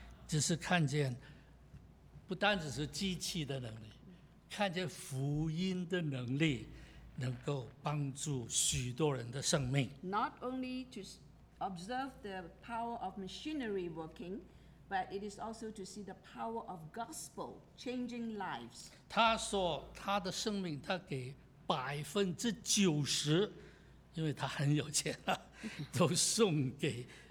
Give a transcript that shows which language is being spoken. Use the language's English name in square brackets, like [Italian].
[Chinese] 只是看见，不单只是机器的能力，看见福音的能力，能够帮助许多人的生命。 [English] Not only to observe the power of machinery working, but it is also to see the power of gospel changing lives. [Chinese] 他说他的生命，他给90%，因为他很有钱了，都送给。